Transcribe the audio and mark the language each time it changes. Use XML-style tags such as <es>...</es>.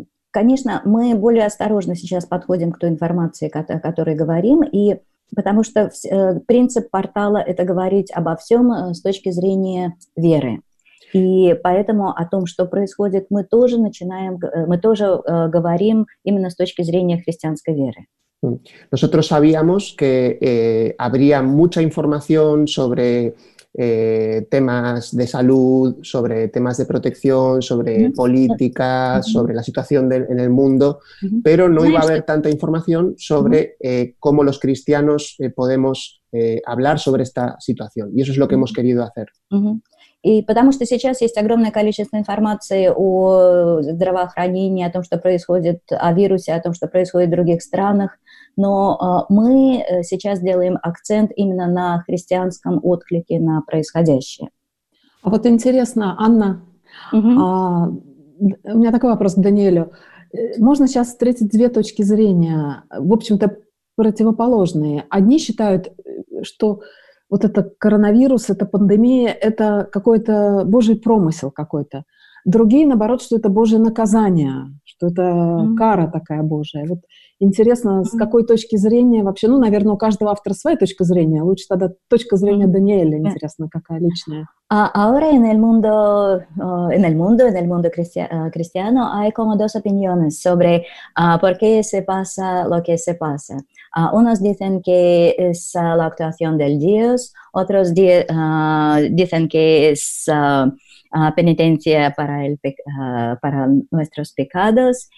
<ru>Конечно, мы более осторожно сейчас подходим к той информации, о которой говорим, и потому что принцип портала – это говорить обо всем с точки зрения веры. И поэтому о том, что происходит, мы тоже говорим именно с точки зрения христианской веры.</ru> <es>Nosotros sabíamos que habría mucha información sobre temas de salud, sobre temas de protección, sobre política, sobre la situación en el mundo, pero no iba a haber tanta información sobre cómo los cristianos podemos hablar sobre esta situación. Y eso es lo que hemos querido hacer.</es> <ru>И потому что сейчас есть огромное количество информации о здравоохранении, о том, что происходит, о вирусе, о том, что происходит в других странах, но мы сейчас делаем акцент именно на христианском отклике на происходящее. А вот интересно, Анна, у меня такой вопрос к Даниэлю. Можно сейчас встретить две точки зрения, в общем-то, противоположные. Одни считают, что... Вот это коронавирус, это пандемия, это какой-то божий промысел какой-то. Другие, наоборот, что это божье наказание, что это кара такая божья. Вот интересно, с какой точки зрения вообще, ну, наверное, у каждого автора своя точка зрения. Лучше тогда точка зрения Даниэля, интересно, какая личная.</ru> <es>Ahora en el mundo cristiano hay como dos opiniones sobre por qué se pasa lo que se pasa. Unos dicen que es la actuación del Dios, otros dicen que es penitencia para el para nuestros pecados.</es>